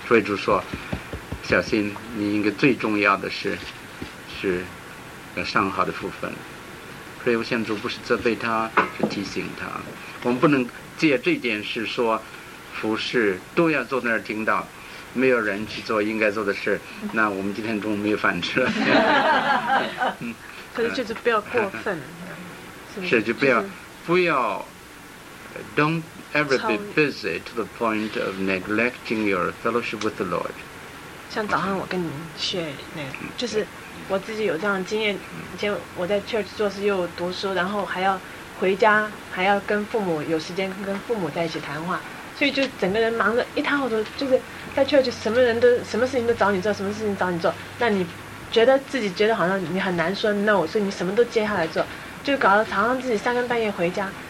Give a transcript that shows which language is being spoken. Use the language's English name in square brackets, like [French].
[Chinese] 所以就说，小心，你应该最重要的是要上好的福分。所以我现在主不是责备他，是提醒他，我们不能借这件事说服侍都要坐那儿听到，没有人去做应该做的事，那我们今天中午没有饭吃了。所以就是不要过分。是就不要 [English] Don't ever be busy to the point of neglecting your fellowship with the Lord。 [Chinese] 像早上我跟你学那个，就是我自己有这样的经验，以前我在 church 做事又读书，然后还要回家，还要跟父母有时间跟父母在一起谈话，所以就整个人忙得一塌糊涂，就是在 church 什么人都什么事情都找你做，什么事情找你做，那你觉得好像你很难说 no， 所以你什么都接下来做，就搞得常常自己三更半夜回家。